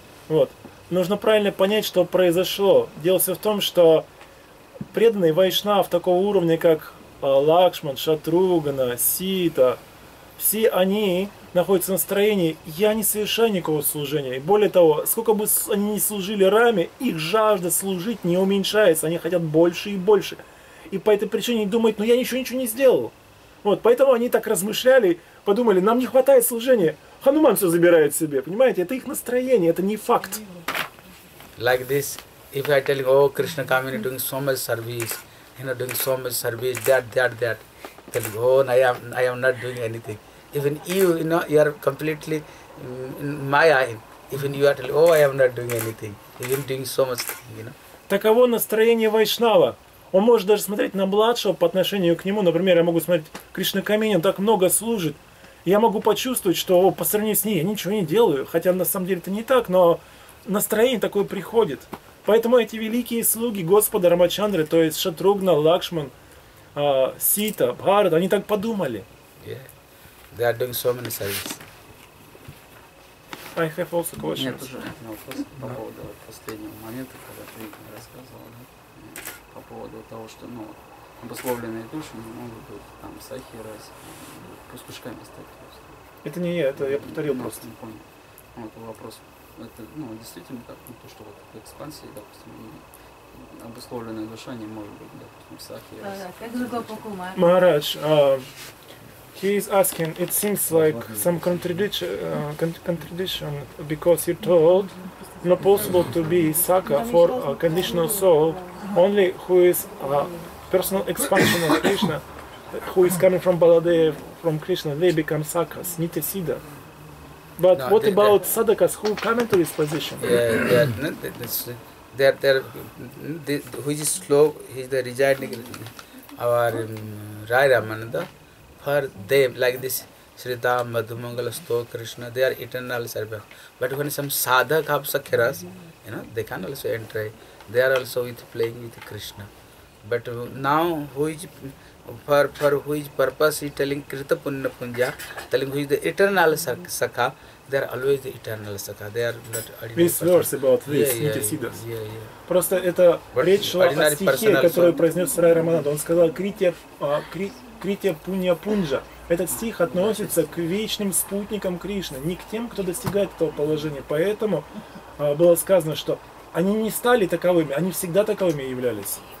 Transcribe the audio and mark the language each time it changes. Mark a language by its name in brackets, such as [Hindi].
[Russian] Вот нужно правильно понять, что произошло. Дело все в том, что преданный вайшнав такого уровня, как Лакшман, Шатругана, Сита, все они находятся в настроении, я не совершаю никакого служения. И более того, сколько бы они ни служили Раме, их жажда служить не уменьшается, они хотят больше и больше. И по этой причине они думают, ну я ничего не сделал. Вот, поэтому они так размышляли, подумали, нам не хватает служения, Хануман все забирает себе, понимаете, это их настроение, это не факт. [English] Like this, if I tell you, oh, Krishna coming and doing so much service, you know, doing so much service, that. Tell you, oh, I am not doing anything. Even you know, you are completely in my eye. Even you are telling, oh, I am not doing anything. Even doing so much, you know. [Russian] Таково настроение вайшнава. Он может даже смотреть на младшего по отношению к нему. Например, я могу смотреть, Кришна Камини, он так много служит. Я могу почувствовать, что по сравнению с ней я ничего не делаю. Хотя на самом деле это не так, но настроение такое приходит. Поэтому эти великие слуги Господа Рамачандры, то есть Шатругна, Лакшман, Сита, Бхарат, они так подумали. [English] Yeah. They are doing so many services. I have also questions. [Russian] Нет, уже один вопрос по поводу последнего момента, когда ты рассказывал, да? По поводу того, что ну, обусловленные души могут быть там сахи, раз, пускушками стать. Это не я, это я повторил просто. Не понял. Вот вопрос. Это ну, действительно так, ну, то, что вот в экспансии, допустим, обусловленная душа не может быть, допустим, сахи. [English] Махарадж, he is asking, it seems like some contradiction, because you told not possible to be Saka for a conditional soul, only who is a personal expansion of Krishna. who is coming from Baladeva, from Krishna, they become sakas, nitya siddha. But no, what about they're... sadakas who come into this position? Who is slow, he's the residing our Rai Ramananda, for them, like this, Sridham, Madhumangala, Stok, Krishna, they are eternal servants. But when some sadhak of sakhiras, you know, they can also enter, they are also with playing with Krishna. But now, who is, for whose purpose he is telling Krita Punna Punja, telling who is the eternal sakha, they are always the eternal sakha. They are not ordinary. This verse about this, Nityasiddhas. [Russian] Просто это речь шла о стихе, которую произнес Рай Рамананда. Он сказал Крития Пунья Пунджа. Этот стих относится к вечным спутникам Кришны, не к тем, кто достигает этого положения. Поэтому было сказано, что они не стали таковыми, они всегда таковыми являлись.